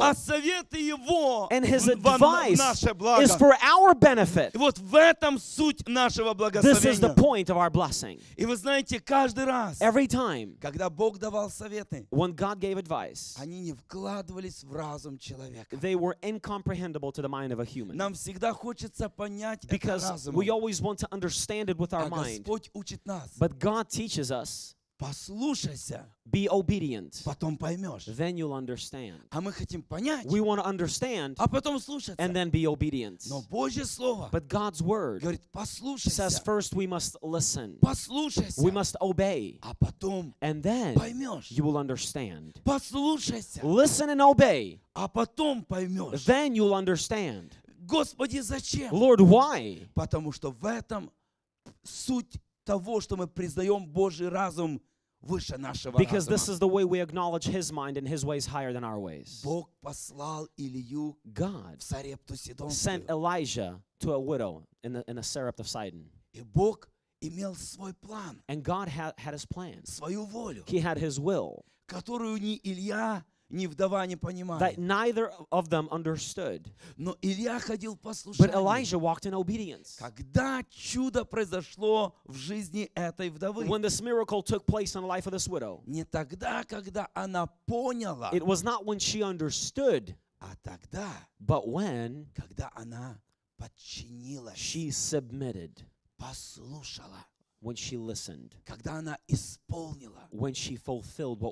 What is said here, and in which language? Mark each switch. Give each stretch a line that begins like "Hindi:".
Russian: А советы его
English: and his advice
Russian: наше благо.
English: Is for our benefit.
Russian: И вот в этом суть нашего благословения.
English: This is the point of our blessing.
Russian: И вы знаете, каждый раз
English: Every time,
Russian: когда Бог давал советы,
English: when God gave advice,
Russian: они не вкладывались в разум человека.
English: They were incomprehensible to the mind of a human.
Russian: Нам всегда хочется понять это
English: Because
Russian: разумом.
English: We always want to understand it with our
Russian: а
English: mind.
Russian: Господь учит нас.
English: But God teaches us.
Russian: Послушайся.
English: Be obedient.
Russian: Потом поймешь.
English: Then you'll understand.
Russian: А мы хотим понять.
English: We want to understand.
Russian: А потом слушаться.
English: And then be obedient.
Russian: Но Божье слово.
English: But God's word.
Russian: Говорит, послушайся.
English: Says first we must listen.
Russian: Послушайся.
English: We must obey.
Russian: А потом.
English: And then.
Russian: Поймешь.
English: You will understand.
Russian: Послушайся.
English: Listen and obey.
Russian: А потом поймешь.
English: Then you'll understand.
Russian: Господи, зачем?
English: Lord, why?
Russian: Потому что в этом суть. Того, что мы признаем Божий разум выше нашего разума.
English: Because this is the way we acknowledge His mind and His ways higher than our ways.
Russian: Бог послал Илию
English: God
Russian: в Сарепту Сидонскую.
English: Sent Elijah to a widow in the Sarepta of Sidon.
Russian: И Бог имел свой план.
English: And God had His plan.
Russian: Свою волю.
English: He had His will.
Russian: Которую ни Илья ни вдова не понимали.
English: That neither of them understood.
Russian: Но Илья ходил в послушании.
English: But Elijah walked in obedience.
Russian: Когда чудо произошло в жизни этой вдовы.
English: When this miracle took place in the life of this widow.
Russian: Не тогда, когда она поняла.
English: It was not when she understood.
Russian: А тогда.
English: But when.
Russian: Когда она подчинилась.
English: She submitted.
Russian: Послушала.
English: When she listened.
Russian: Когда она исполнила.
English: When she fulfilled what